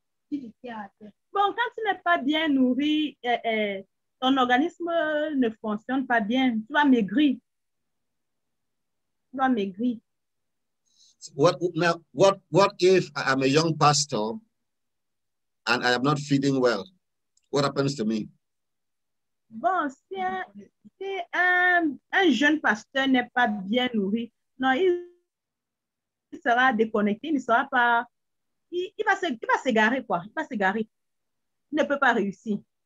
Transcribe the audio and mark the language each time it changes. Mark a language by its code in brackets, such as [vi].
[fr] Bon, quand tu n'es pas bien nourri, ton organisme ne fonctionne pas bien. Tu vas maigrir. [en] What if I am a young pastor and I am not feeding well? What happens to me? [fr] Bon, si un jeune pasteur n'est pas bien nourri, non, il sera déconnecté, il ne sera pas. Il va s'égarer, quoi. Il va s'égarer. Ne peut pas réussir.